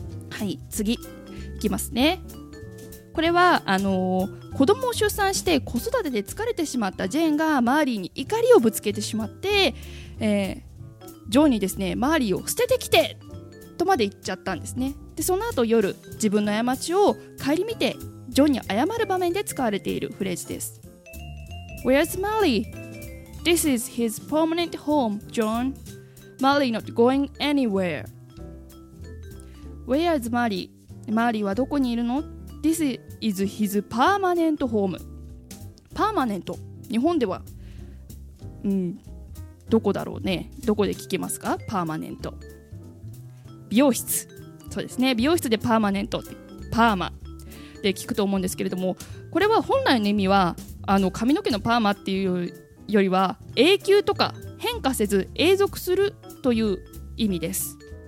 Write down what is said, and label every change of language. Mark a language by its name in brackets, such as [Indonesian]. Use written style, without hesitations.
[Japanese] はい、次いきますね。これは子供を出産して子育てで疲れてしまったジェーンがマーリーに怒りをぶつけてしまって、ジョーにですね、マーリーを捨ててきてとまで言っちゃったんですね。でその後夜、自分の過ちを顧みてジョーに謝る場面で使われているフレーズです。 [English] Where's Marley? This is his permanent home, John. Marley not going anywhere. Where's Marley? [Japanese] マーリーはどこにいるの？ [English] This is his permanent home. [Japanese] パーマネント。日本では、どこだろうね。どこで聞けますか？パーマネント。美容室。そうですね。美容室でパーマネント。パーマ。で聞くと思うんですけれども、これは本来の意味は、髪の毛のパーマっていうよりは、永久とか変化せず永続するという意味です。